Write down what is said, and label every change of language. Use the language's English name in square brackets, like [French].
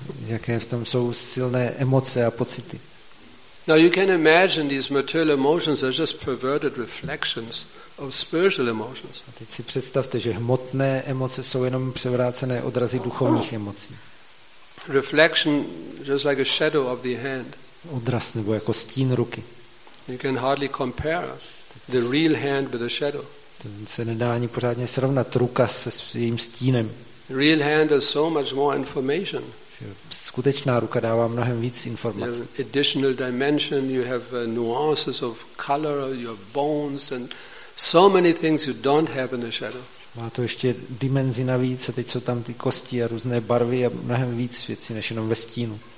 [Czech] Jaké v tom jsou silné emoce a pocity? [English] Now you can imagine these material emotions are just perverted reflections of spiritual emotions. [Czech] A teď si představte, že hmotné emoce jsou jenom převrácené odrazy duchovních emocí. [English] Reflection just like a shadow of the hand. [Czech] Odraz nebo jako stín ruky. [English] You can hardly compare the real hand with the shadow. [Czech] Se nedá ani pořádně srovnat ruka se svým stínem. [English] Real hand has so much more information. [Czech] Skutečná ruka dává mnohem víc informací. [English] You have additional dimension, you have nuances of color, you have bones and so many things you don't have in the shadow. [Czech] Má to ještě dimenzi navíc a teď jsou tam ty kosti a různé barvy a mnohem víc věcí než jenom ve stínu.